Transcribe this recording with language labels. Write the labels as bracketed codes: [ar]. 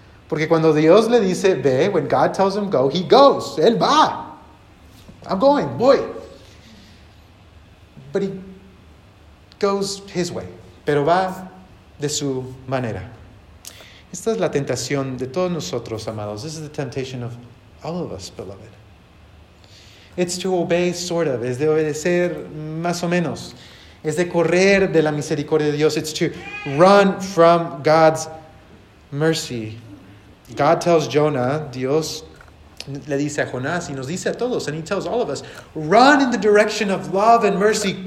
[es] Porque cuando Dios le dice, ve, [en] when God tells him go, he goes. [es] Él va. [en] I'm going. [es] Voy. [en] But he goes his way. [es] Pero va de su manera. Esta es la tentación de todos nosotros, amados. [en] This is the temptation of all of us, beloved. It's to obey, sort of. [es] Es de obedecer, más o menos. Es de correr de la misericordia de Dios. [en] It's to run from God's mercy. God tells Jonah, [es] Dios le dice a Jonás y nos dice a todos, [en] and he tells all of us, run in the direction of love and mercy.